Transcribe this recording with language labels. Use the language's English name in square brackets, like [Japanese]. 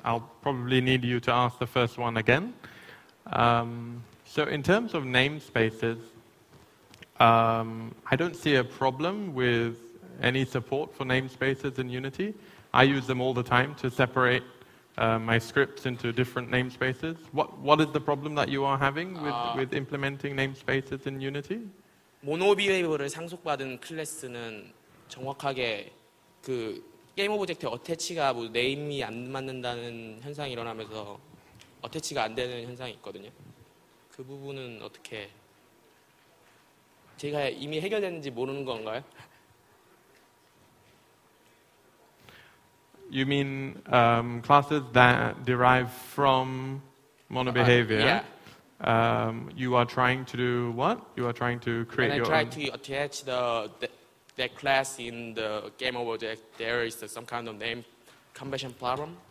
[English] I'll probably need you to ask the first one again. So in terms of namespaces, I don't see a problem with any support for namespaces in Unity. I use them all the time to separate my scripts into different namespaces. What is the problem that you are having with implementing namespaces in Unity? [Korean] 모노비헤이버를 상속받은 클래스는 정확하게 그 게임 오브젝트 어태치가 뭐 네임이 안 맞는다는 현상이 일어나면서 어태치가 안 되는 현상이 있거든요. 그 부분은 어떻게 제가 이미 해결됐는지 모르는 건가요? [English] You mean classes that derive from mono behavior? You are trying to do what? You are trying to create when your own. When I try to attach the class in the game object, there is some kind of name conversion problem.